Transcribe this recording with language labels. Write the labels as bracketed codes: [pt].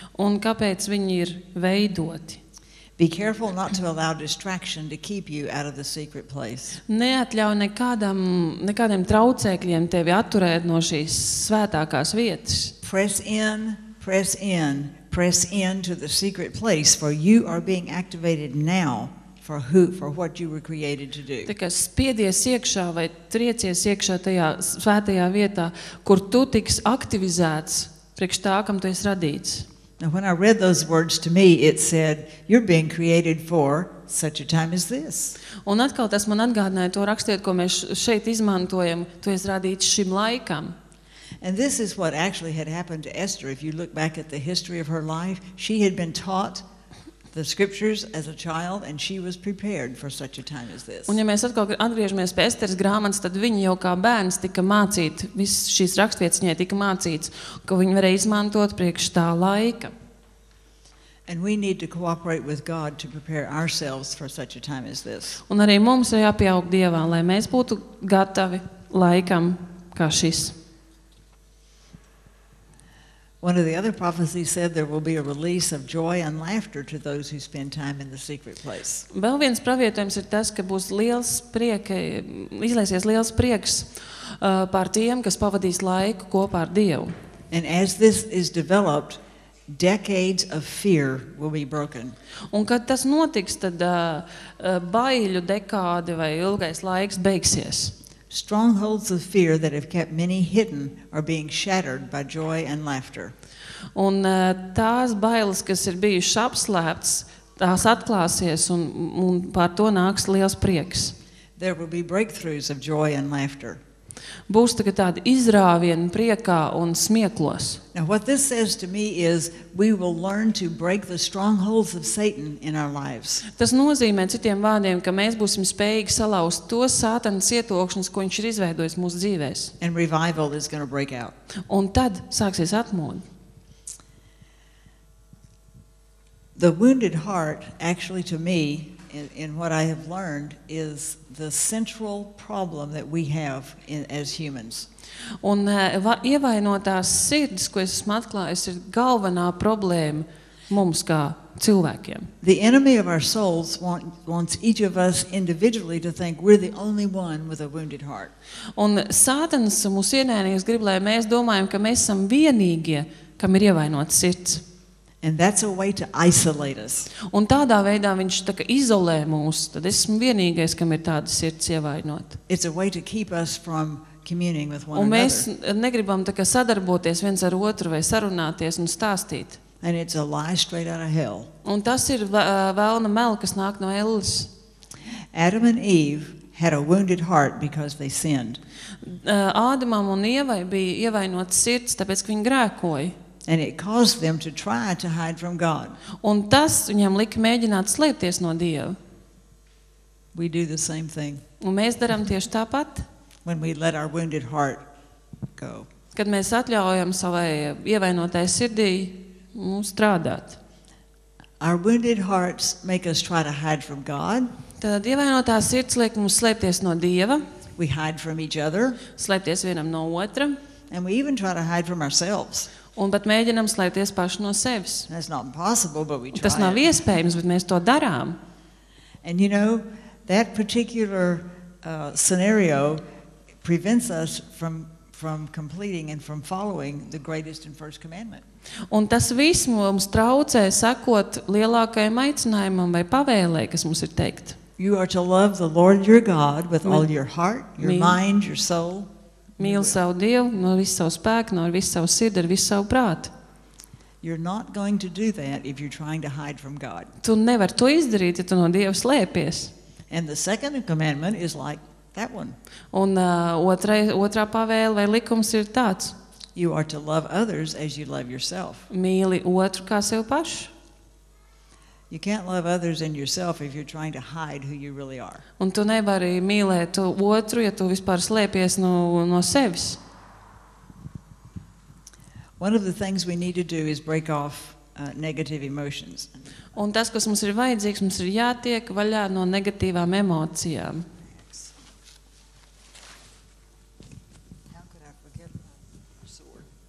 [lv] Un kāpēc viņi ir veidoti. [en] Be careful not to allow distraction to keep you out of the secret place. [lv] Neatļau nekādiem traucēkļiem tevi atturēt no šīs svētākās vietas. [en] Press in to the secret place for you are being activated now for what you were created to do. [lv] Tā kā spiedies iekšā vai triecies iekšā tajā svētajā vietā, kur tu tiks aktivizēts priekš tā, kam tu esi radīts. [en] And when I read those words to me, it said, you're being created for such a time as this. [lv] Un atkal tas man atgādināja to rakstiet, ko mēs šeit izmantojam, tu esi radīts šim laikam. [en] And this is what actually had happened to Esther. If you look back at the history of her life, she had been taught the scriptures as a child and she was prepared for such a time as this. [lv] Un ja mēs atgriežamies pie Esteras grāmatas, tad viņa jau kā bērns tika mācīta, viss šīs rakstvietas viņai tika mācīts, ka viņa varēja izmantot priekš tā laika. [en] And we need to cooperate with God to prepare ourselves for such a time as this. [lv] Un arī mums ir jāpieaug Dievā, lai mēs būtu gatavi laikam kā šis. [en] One of the other prophecies said there will be a release of joy and laughter to those who spend time in the secret place. [lv] Vēl viens pravietojums ir tas, ka būs liels prieks, izlaisies liels prieks par tiem, kas pavadīs laiku kopā ar Dievu. [en] And as this is developed, decades of fear will be broken. [lv] Un kad tas notiks, tad baiļu dekādi vai ilgais laiks beigsies. [en] Strongholds of fear that have kept many hidden are being shattered by joy and laughter. [lv] Un tās bailes, kas ir bijušas apslēptas, tās atklāsies un, un par to nāks liels prieks. [en] There will be breakthroughs of joy and laughter. [lv] Būs tagad tādi izrāvieni priekā un smieklos. [en] Now what this says to me is we will learn to break the strongholds of Satan in our lives. [lv] Tas nozīmē citiem vārdiem, ka mēs būsim spējīgi salauzt tos Sātana cietokšņus, ko viņš ir izveidojis mūsu dzīvēs. [en] And revival is going to break out. [lv] Un tad sāksies atmodu. [en] The wounded heart actually to me in what I have learned is the central problem that we have in, as humans. [lv] Un ievainotās sirds, ko es esmu atklājis, ir galvenā problēma mums kā cilvēkiem. [en] The enemy of our souls wants each of us individually to think we're the only one with a wounded heart. [lv] Un Sātans mūs ienēnīgs grib, lai mēs domājam, ka mēs esam vienīgie, kam ir ievainotas sirds. [en] And that's a way to isolate us. [lv] Un tādā veidā viņš tā kā izolē mūs, tad esmu vienīgais, kam ir tāda sirds ievainot. [en] It's a way to keep us from communing with one another. [lv] Un mēs negribam tā kā sadarboties viens ar otru vai sarunāties un stāstīt. [en] And it's a lie straight out of hell. [lv] Un tas ir velna mel, kas nāk no elles. [en] Adam and Eve had a wounded heart because they sinned. [lv] Ādamam un Ievai bija ievainotas sirds, tāpēc ka viņi grēkoja. [en] And it caused them to try to hide from God. [lv] Un tas viņam lika mēģināt slēpties no Dieva. [en] We do the same thing. [lv] Un mēs darām tieši tāpat. [en] When we let our wounded heart go. [lv] Kad mēs atļaujam savai ievainotai sirdī strādāt. [en] Our wounded hearts make us try to hide from God. [lv] Tad ievainotā sirds liek mums slēpties no Dieva. [en] We hide from each other. [lv] Slēpties vienam no otra. [en] And we even try to hide from ourselves. [lv] Un pat mēģinām slēpties paši no sevis. [en] That's not possible, but we try. [lv] Tas nav iespējams, bet mēs to darām. [en] And you know, that particular scenario prevents us from completing and from following the greatest and first commandment. [lv] Un tas viss mums traucē sakot lielākajam aicinājumam vai pavēlei, kas mums ir teikt. [en] You are to love the Lord your God with all your heart, your mind, your soul. [lv] Mīli savu Dievu no visu savu spēku, no visu savu sirdi, ar visu savu prātu. [en] You're not going to do that if you're trying to hide from God. [lv] Tu nevar to izdarīt, ja tu no Dieva slēpies. [en] And the second commandment is like that one. [lv] Un otrā pavēle vai likums ir tāds. [en] You are to love others as you love yourself. [lv] Mīli otru kā sev pašu. [en] You can't love others and yourself if you're trying to hide who you really are. [lv] Un tu nevari mīlēt otru, ja tu vispār slēpies no sevis. [en] One of the things we need to do is break off negative emotions. [lv] Un tas, kas mums ir vajadzīgs, mums ir jātiek vaļā no negatīvām emocijām. [en] How could I forget my sword?